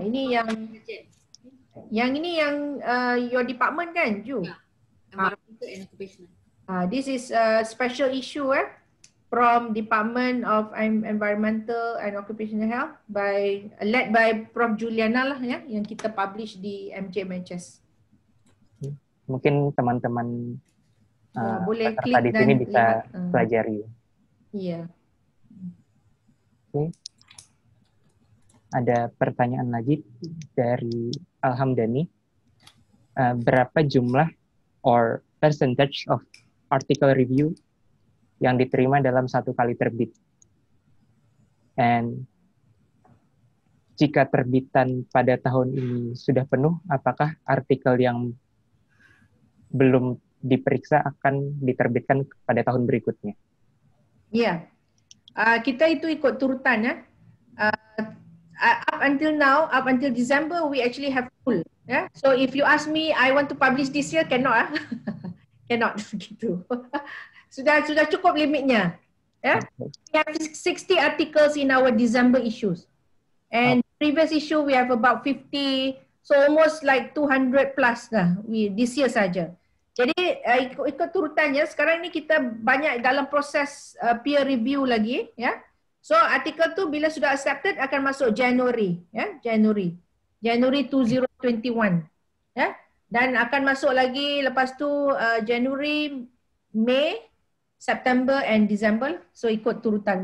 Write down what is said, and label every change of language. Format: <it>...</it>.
<ms>Ini yang ini</ms> <en>your department</en> <ms>kan, Ju?</ms> <en>Yeah. Environmental and occupational. This is a special issue from Department of Environmental and Occupational Health by led by Prof.</en> <ms>Juliana lah, ya, yang kita publish di MJ-MHS.</ms> <id>Mungkin teman-teman boleh klik dan ini bisa pelajari. Iya.</id> <en>Okay.</en> <id>Ada pertanyaan lagi dari Alhamdani. Berapa jumlah</id> <en>or percentage of article review</en> <id>yang diterima dalam satu kali terbit? And jika terbitan pada tahun ini sudah penuh, apakah artikel yang belum diperiksa akan diterbitkan pada tahun berikutnya?</id> <ms>Ya, yeah. Kita itu ikut turutan ya.</ms> <en>Up until December, we actually have full. Yeah. So if you ask me, I want to publish this year, cannot ah, cannot begitu.</en> <ms>sudah cukup limitnya.</ms> <en>Yeah. Okay. We have 60 articles in our December issues, and previous issue we have about 50, so almost like 200 plus lah. This year saja.</en> <ms>Jadi ikut turutannya, sekarang ni kita banyak dalam proses peer review lagi, ya. So artikel tu bila sudah accepted akan masuk January, ya, January. January 2021. Ya. Dan akan masuk lagi lepas tu January, May, September and December. So ikut turutan.</ms>